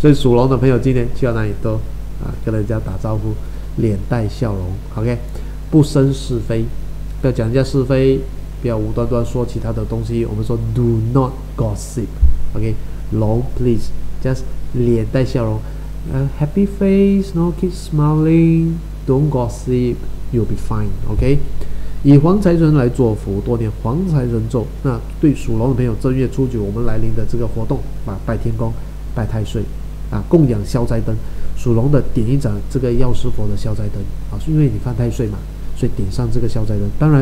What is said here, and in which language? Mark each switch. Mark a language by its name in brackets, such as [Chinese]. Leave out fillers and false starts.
[Chinese] 所以属龙的朋友今年去到哪里都啊跟人家打招呼脸带笑容 OK， 不生是非，不要讲人家是非，不要无端端说其他的东西，我们说 [English] do not gossip [Chinese] OK， 龙 [English] please just [Chinese] 脸带笑容。 [English] Happy face, no, keep smiling, don't gossip, you'll be fine, OK? [Chinese] 以黄财神来作福，多念黄财神咒。那对属龙的朋友，正月初九我们来临的这个活动，啊，拜天公、拜太岁，啊，供养消灾灯。属龙的点一盏这个药师佛的消灾灯，啊，是因为你犯太岁嘛，所以点上这个消灾灯。